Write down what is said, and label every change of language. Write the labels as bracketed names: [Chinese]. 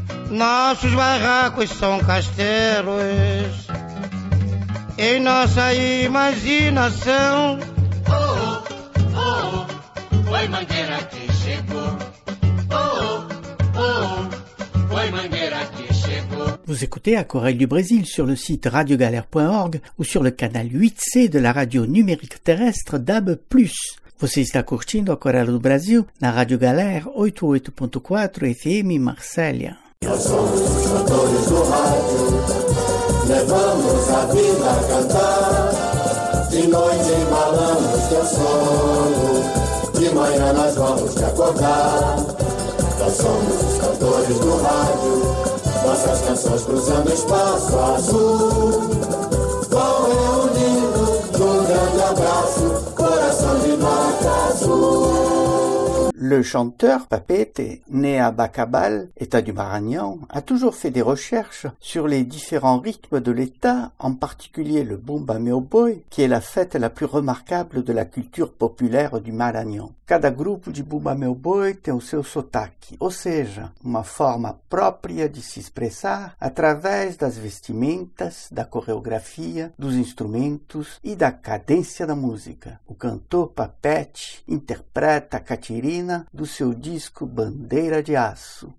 [Portuguese] Nossos barracos são castelos em nossa imaginação. Oh, oh, oh, foi Mangueira que chegou. Oh, oh, oh, foi Mangueira que chegou. [French] Vous écoutez Aquarelle du Brésil sur le site radiogalère.org ou sur le canal 8C de la radio numérique terrestre DAB+. [Portuguese] Você está curtindo a Aquarela do Brasil na Rádio Galera 88.4 FM Marcélia. Nós somos os cantores do rádio, levamos a vida a cantar. De noite embalamos teu sono, de manhã nós vamos te acordar. Nós somos os cantores do rádio, nossas canções cruzando espaço azul. Vão reunindo um grande abraço. [French] Le chanteur Papete, né à Bacabal, état du Maranhão, a toujours fait des recherches sur les différents rythmes de l'état, en particulier le Bumba Meu Boi, qui est la fête la plus remarquable de la culture populaire du Maranhão. [Portuguese] Cada grupo de Bumba Meu Boi tem o seu sotaque, ou seja, uma forma própria de se expressar através das vestimentas, da coreografia, dos instrumentos e da cadência da música. O cantor Papete interpreta a Catirina do seu disco Bandeira de Aço.